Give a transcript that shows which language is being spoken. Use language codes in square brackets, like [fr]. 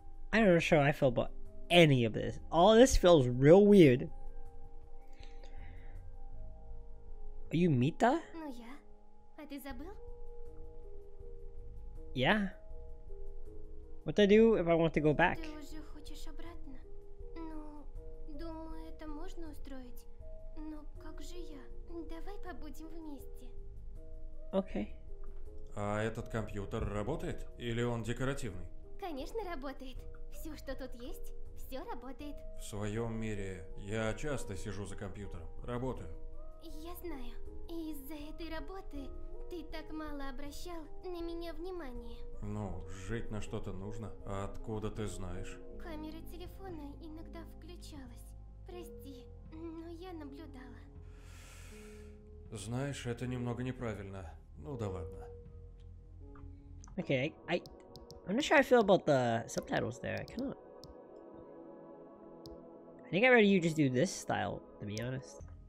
[en] I don't know how I feel about any of this. All this feels real weird. Are you Mita? [ru] Ну я. А ты забыл? [en] Yeah. What do I do if I want to go back? [ru] Ты уже хочешь обратно? Ну, думаю, это можно устроить. Но как же я? Давай побудем вместе. [en] Okay. [ru] А этот компьютер работает? Или он декоративный? Конечно, работает. Все, что тут есть, все работает. В своем мире я часто сижу за компьютером, работаю. Я знаю. И из-за этой работы ты так мало обращал на меня внимания. Ну, жить на что-то нужно. А откуда ты знаешь? Камера телефона иногда включалась. Прости, но я наблюдала. Знаешь, это немного неправильно. Ну да ладно. [en] Окей, okay, I'm not sure how I feel about the subtitles there. I cannot. I think I'd rather you just do this style, to be honest.